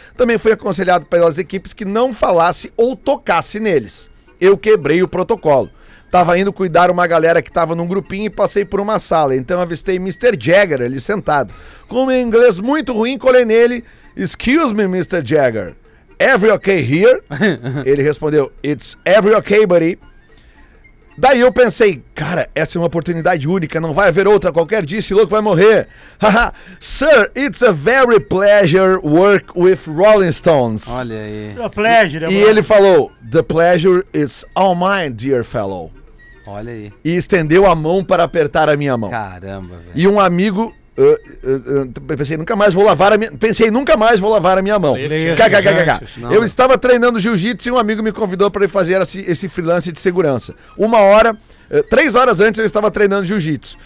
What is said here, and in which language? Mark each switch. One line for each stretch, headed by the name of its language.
Portuguese: Também foi aconselhado pelas equipes que não falasse ou tocasse neles. Eu quebrei o protocolo. Tava indo cuidar uma galera que tava num grupinho e passei por uma sala. Então avistei Mr. Jagger ali sentado. Com um inglês muito ruim, colei nele.
English: Excuse me, Mr. Jagger. Every okay here?
Portuguese: Ele respondeu,
English: it's every okay, buddy.
Portuguese: Daí eu pensei, cara, essa é uma oportunidade única. Não vai haver outra. Qualquer dia esse louco vai morrer.
English: Haha, sir, it's a very pleasure work with Rolling Stones.
Portuguese: Olha aí.
English: A pleasure.
Portuguese: E ele falou,
English: the pleasure is all mine, dear fellow.
Portuguese: Olha aí. E estendeu a mão para apertar a minha mão. Caramba, velho. E um amigo... Pensei, nunca mais vou lavar a minha mão. Eu estava treinando jiu-jitsu e um amigo me convidou para fazer esse freelance de segurança. Uma hora, 3 horas antes eu estava treinando jiu-jitsu.